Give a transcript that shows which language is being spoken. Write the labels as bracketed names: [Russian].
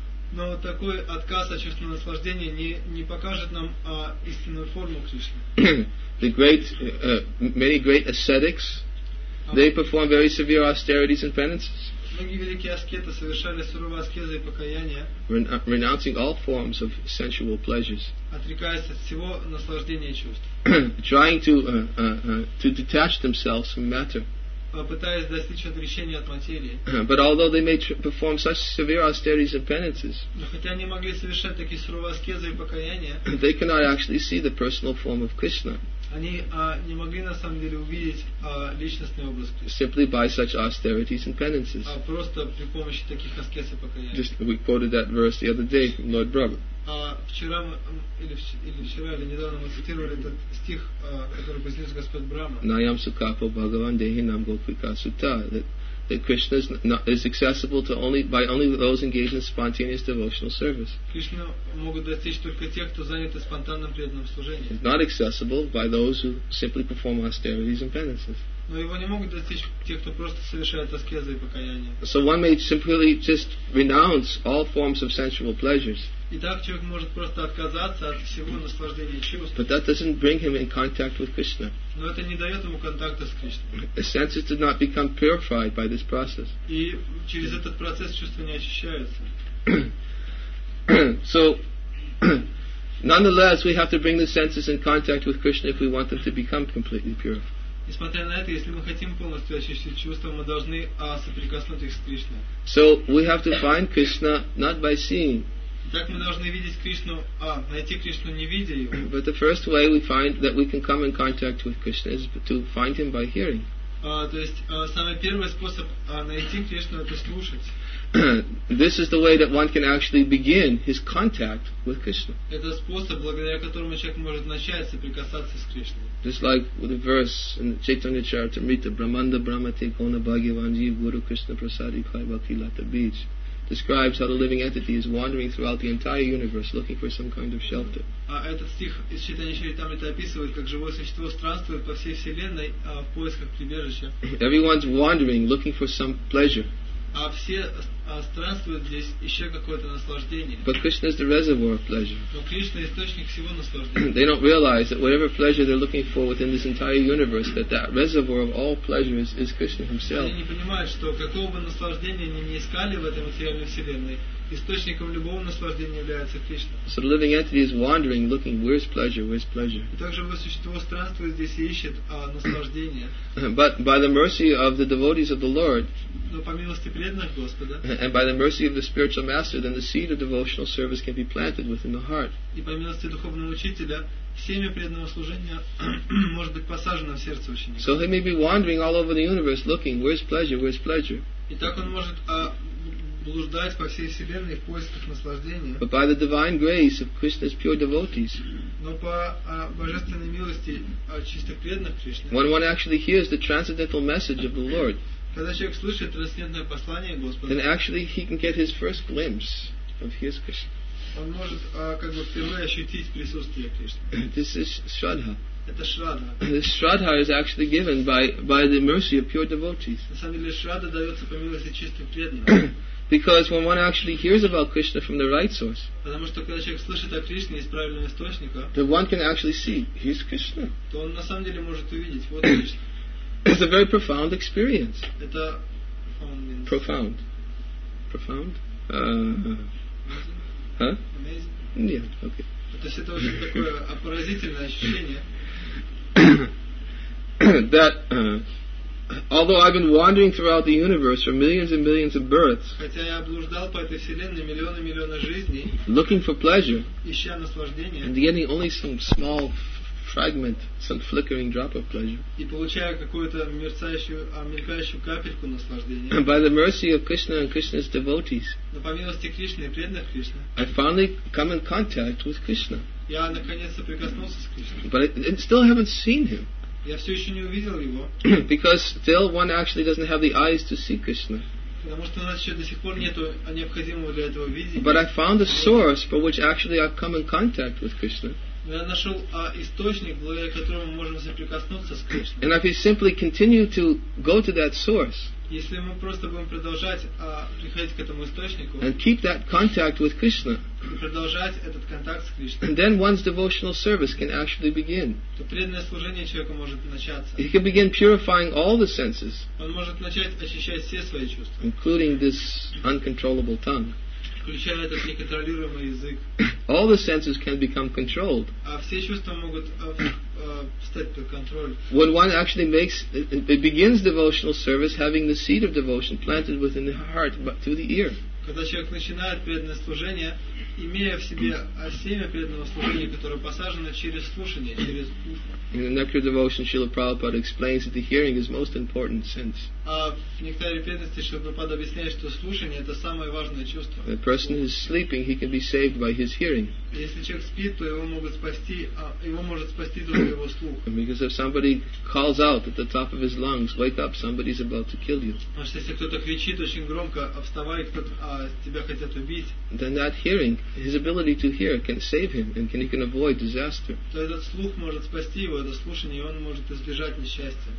[Russian] Но такой отказ от чувственного наслаждения не покажет нам истинную форму Кришны. [English] The great, many great ascetics, they perform very severe austerities and penances. [Russian] Многие великие аскеты совершали суровые аскезы и покаяния. [English] Renouncing all forms of sensual pleasures. [Russian] Отрекаясь от всего наслаждения чувств. [English] Trying to detach themselves from matter. [Russian] Пытаясь достичь отречения от материи. [English] But although they may perform such severe austerities and penances, [Russian] хотя они могли совершать такие суровые аскезы и покаяния, [English] they cannot actually see the personal form of Krishna. [Russian] Они не могли на самом деле увидеть личностный образ Кришны. [English] Simply by such austerities and penances. [Russian] А просто при помощи таких аскез и покаяния. [English] We quoted that verse the other day from Lord Brahma. [Russian] Вчера или недавно мы цитировали этот стих, который произнес Господь Брахма. [Sanskrit] Nayam sukapo bhagavan dehi nam gopikasuta, [English] that Krishna is accessible to only those engaged in spontaneous devotional service. [Russian] Кришну могут достичь только те, кто заняты спонтанным преданным служением. [English] It's not accessible by those who simply perform austerities and penances. [Russian] Но его не могут достичь те, кто просто совершает аскезы и покаяние. [English] So one may simply just renounce all forms of sensual pleasures. [Russian] Итак, человек может просто отказаться от всего наслаждения чувств. [English] But that doesn't bring him in contact with Krishna. [Russian] Но это не дает ему контакта с Кришной. [English] The senses did not become purified by this process. [Russian] И через этот процесс чувства не очищаются. [English] So, nonetheless, we have to bring the senses in contact with Krishna if we want them to become completely pure. [Russian] Несмотря на это, если мы хотим полностью очистить чувства, мы должны соприкоснуть их с Кришной. [English] So we have to find Krishna not by seeing. [Russian] Так мы должны видеть Кришну, найти Кришну, не видя его. [English] But the first way we find that we can come in contact with Krishna is to find him by hearing. [Russian] То есть самый первый способ найти Кришну — это слушать. [English] This is the way that one can actually begin his contact with Krishna. [Russian] Это способ, благодаря которому человек может начать соприкасаться с Кришной. [English] Just like with the verse in the Chaitanya Charitamrita, [Sanskrit] Brahmanda Brahmate Kona Bhagyavanji Guru Krishna Prasadi Kai Bhakti Lata Beach, [English] describes how the living entity is wandering throughout the entire universe looking for some kind of shelter. [Russian] Этот стих из Читания Чаритамриты описывает, как живое существо странствует по всей вселенной в поисках прибежища. [English] Everyone's wandering looking for some pleasure. [Russian] А все странствуют здесь, ища какое-то наслаждение. [English] But Krishna is the reservoir of pleasure. [Russian] Но Кришна — источник всего наслаждения. [English] They don't realize that whatever pleasure they're looking for within this entire universe, that reservoir of all pleasure is Krishna himself. [Russian] Они не понимают, что какого бы наслаждения они не искали в этой материальной вселенной, источником любого наслаждения является Кришна. [English] So the living entity is wandering, looking, where's pleasure, where's pleasure? [Russian] И также живое существо странствует здесь и ищет наслаждение. [English] But by the mercy of the devotees of the Lord, [Russian] но по милости преданных Господа, [English] and by the mercy of the spiritual master, then the seed of devotional service can be planted within the heart. [Russian] И по милости духовного учителя, семя преданного служения может быть посажено в сердце ученика. [English] So he may be wandering all over the universe, looking, where's pleasure, where's pleasure? [Russian] И так он может блуждать по всей вселенной в поисках наслаждения. [English] But by the divine grace of Krishna's pure devotees, [Russian] но по божественной милости чистых преданных Кришны, [English] when one actually hears the transcendental message of the Lord, [Russian] когда человек слышит трансцендентное послание Господа, [English] then actually he can get his first glimpse of his Krishna. [Russian] Он может как бы впервые ощутить присутствие Кришны. [English] This is Shraddha. [Russian] Это Shraddha. [English] This Shraddha is actually given by the mercy of pure devotees. [Russian] На самом деле Shraddha дается по милости чистых преданных. [English] Because when one actually hears about Krishna from the right source, [Russian] потому что когда человек слышит о Кришне из правильного источника, [English] then one can actually see he's Krishna. [Russian] То он на самом деле может увидеть вот Кришна. [English] It's a very profound experience. [Russian] Это [English] profound. Means profound. Profound? Amazing. Huh? Amazing. Yeah. Okay. [Russian] То есть это очень такое поразительное ощущение. [English] That. Although I've been wandering throughout the universe for millions and millions of births, [Russian] хотя я блуждал по этой вселенной миллионы и миллионы жизней, [English] looking for pleasure, [Russian] ища наслаждение, [English] and getting only some small fragment, some flickering drop of pleasure. [Russian] И получая какую-то мелькающую капельку наслаждения. [English] By the mercy of Krishna and Krishna's devotees. [Russian] Но по милости Кришны и преданных Кришны. [English] I finally come in contact with Krishna. [Russian] Я наконец-то прикоснулся с Кришной. [English] But I still haven't seen him. [Russian] Я все еще не увидел его. [English] Because still one actually doesn't have the eyes to see Krishna. [Russian] Потому что у нас еще до сих пор нету необходимого для этого видения. [English] But I found a source for which actually I've come in contact with Krishna. [Russian] Я нашел источник, благодаря которому мы можем соприкоснуться с Кришной. [English] And if we simply continue to go to that source. [Russian] Если мы просто будем продолжать приходить к этому источнику. [English] And keep that contact with Krishna. [Russian] И продолжать этот контакт с Кришной. [English] And then one's devotional service can actually begin. [Russian] То преданное служение человека может начаться. [English] He can begin purifying all the senses. [Russian] Он может начать очищать все свои чувства. [English] Including this uncontrollable tongue. [Russian] Включая этот неконтролируемый язык. [English] All the senses can become controlled. [Russian] А все чувства могут стать под контроль. [English] When one actually begins devotional service, having the seed of devotion planted within the heart, but through the ear. [Russian] Когда человек начинает преданное служение, имея в себе семя преданного служения, которое посажено через слушание, через ухо. [English] In the nectar devotion, Srila Prabhupada explains that the hearing is most important sense. [Russian] А в нектаре преданности Шрила Прабхупада объясняет, что слушание это самое важное чувство. [English] The person is sleeping, he can be saved by his hearing. [Russian] Если человек спит, то его могут спасти, его может спасти только его слух. [English] Because if somebody calls out at the top of his lungs, wake up, somebody's about to kill you. [Russian] Потому что если кто-то кричит очень громко, вставай, тебя хотят убить. [English] Then that hearing, his ability to hear, can save him and he can avoid disaster. [Russian] То этот слух может спасти его, это слушание, и он может избежать несчастья.